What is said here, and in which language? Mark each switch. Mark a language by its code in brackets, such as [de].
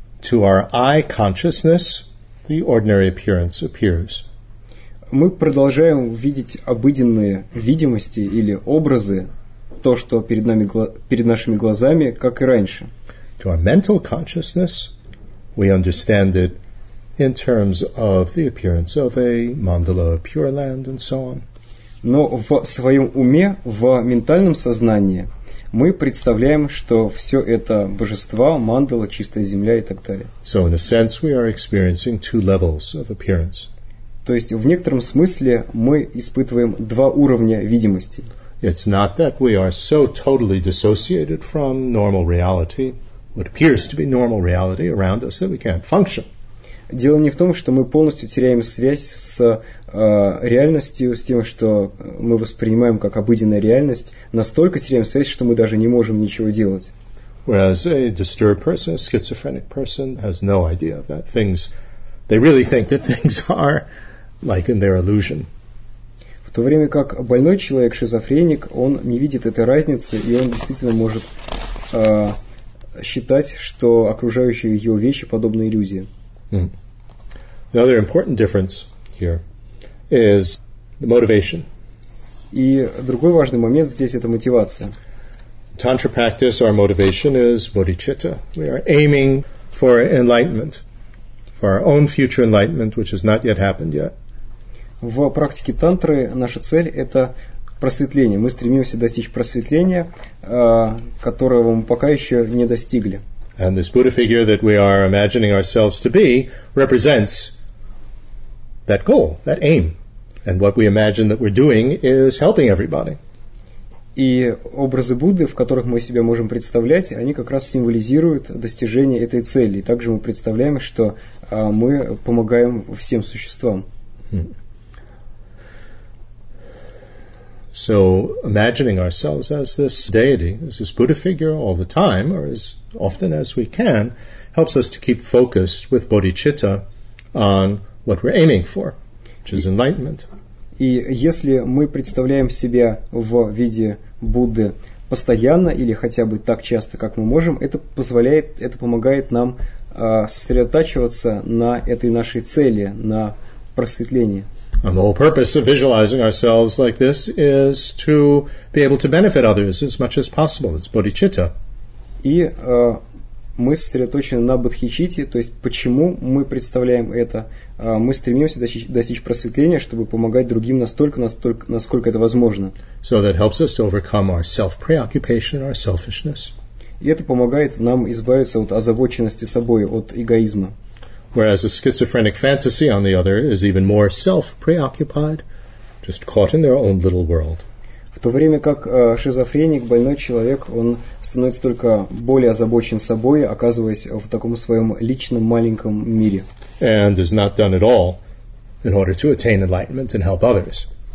[en] To our eye consciousness, the ordinary appearance appears. [ru] Мы продолжаем видеть обыденные видимости или образы, то, что перед нами, перед нашими глазами, как и раньше. [en] To our mental consciousness, we understand it in terms of the appearance of a mandala, pure land, and so on. [ru] Но в своем уме, в ментальном сознании, мы представляем, что все это божества, мандала, чистая земля и так далее. [en] So in a sense, we are experiencing two levels of appearance. [ru] То есть в некотором смысле мы испытываем два уровня видимости. [en] It's not that we are so totally dissociated from normal reality. what appears to be normal reality around us that we can't function. [ru] Дело не в том, что мы полностью теряем связь с реальностью, с тем, что мы воспринимаем как обыденная реальность, настолько теряем связь, что мы даже не можем ничего делать. [en] Whereas a disturbed person, a schizophrenic person, has no idea that things, they really think that things are like in their illusion. [ru] В то время как больной человек, шизофреник, он не видит этой разницы, и он действительно может считать, что окружающие его вещи подобны иллюзии. [en] Another important difference here is the motivation. [ru] И другой важный момент здесь – это мотивация. [en] Tantra practice, our motivation is bodhicitta. We are aiming for enlightenment, for our own future enlightenment, which has not yet happened yet. [ru] В практике тантры наша цель – это просветление. Мы стремимся достичь просветления, которого мы пока еще не достигли. [en] And this Buddha figure that we are imagining ourselves to be represents that goal, that aim. And what we imagine that we're doing is helping everybody. [ru] И образы Будды, в которых мы себя можем представлять, они как раз символизируют достижение этой цели. И также мы представляем, что мы помогаем всем существам. [en] So imagining ourselves as this deity, as this Buddha figure all the time, or as often as we can, helps us to keep focused with bodhicitta on what we're aiming for, which is enlightenment. [ru] И если мы представляем себя в виде Будды постоянно или хотя бы так часто, как мы можем, это позволяет, это помогает нам сосредотачиваться на этой нашей цели, на просветлении. [en] And the whole purpose of visualizing ourselves like this is to be able to benefit others as much as possible. It's bodhicitta. [ru] И мы сосредоточены на бодхичитте, то есть почему мы представляем это. Мы стремимся достичь просветления, чтобы помогать другим настолько, насколько это возможно. [en] So that helps us to overcome our self-preoccupation, our selfishness. [ru] И это помогает нам избавиться от озабоченности собой, от эгоизма. [en] Whereas a schizophrenic fantasy, on the other, is even more self-preoccupied, just caught in their own little world. [ru] В то время как шизофреник, больной человек, он становится только более озабочен собой, оказываясь в таком своем личном маленьком мире. [en] And is not done at all in order to attain enlightenment and help others.